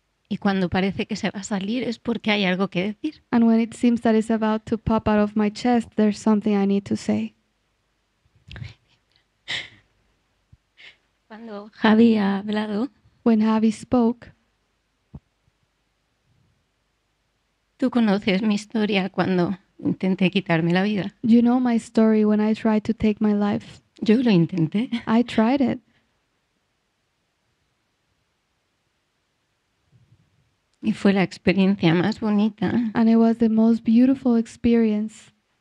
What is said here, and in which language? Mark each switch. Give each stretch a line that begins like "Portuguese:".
Spanish: Y cuando parece que se va a salir es porque hay algo que decir.
English: And when it seems that it's about to pop out of my chest, there's something I need to say.
Spanish: Cuando Javi ha hablado.
English: When Javi spoke.
Spanish: Tú conoces mi historia cuando intenté quitarme la vida.
English: You know my story when I tried to take my life.
Spanish: Yo lo intenté.
English: I tried it.
Spanish: Y fue la experiencia más bonita.
English: And it was the most beautiful experience.